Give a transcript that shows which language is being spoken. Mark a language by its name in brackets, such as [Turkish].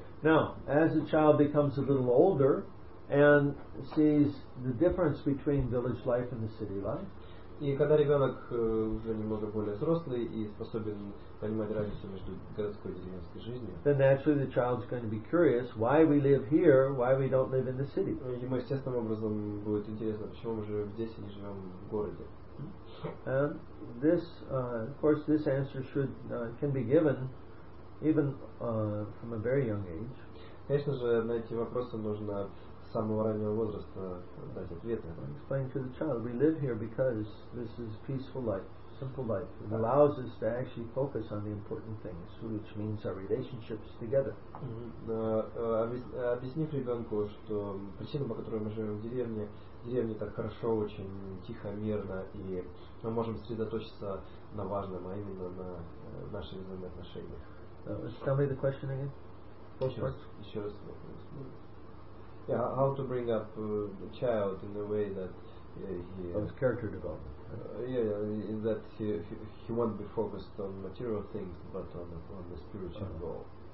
[English] Now, as a child becomes a little older and sees the difference between village life and the city life. [Russian] И когда ребенок уже немного более взрослый и способен понимать разницу между городской и деревенской жизнью, [English] then naturally the child is going to be curious why we live here, why we don't live in the city. [Russian] Ему естественным образом будет интересно, почему мы живем здесь и не живем в городе. [English] And this, of course, this answer should can be given even from a very young age. [Russian] Конечно же, на эти вопросы нужно с самого раннего возраста дать ответы. [English] Explain to the child, we live here because this is peaceful life, simple life. It allows us to actually focus on the important things, which means our relationships together. [Russian] Объяснив ребенку, что причина, по которой мы живем в деревне, так хорошо, очень тихо, мирно, и мы можем сосредоточиться на важном, а именно на наших взаимоотношениях. [English] Tell me the question again. [Russian] Еще раз. [English] Yeah, how to bring up the child in a way that his character development. In that he won't be focused on material things, but on the spiritual goal.